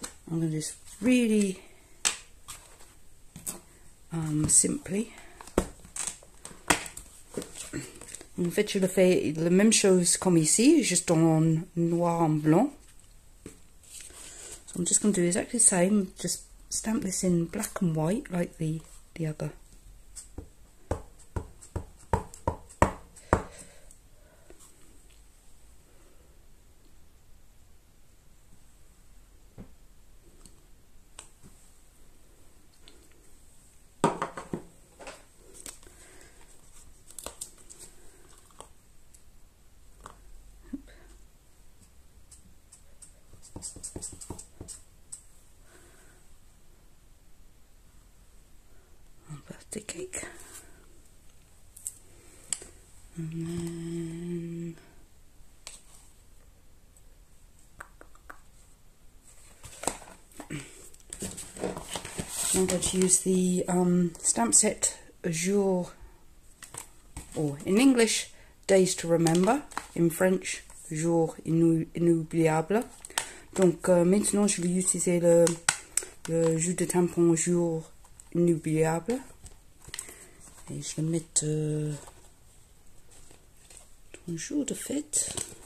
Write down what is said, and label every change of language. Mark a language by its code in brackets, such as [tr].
[en] I'm going to do this really simply. [fr] En fait, je le fais la même chose comme ici, juste en noir en blanc. [en] So I'm just going to do exactly the same, just stamp this in black and white like the other. I'm going to use the stamp set Jour, or in English, Days to Remember, in French, Jour Inoubliable. [fr] Donc maintenant je vais utiliser le jus de tampon Jour Inoubliable. Et je vais mettre ton jour de fête.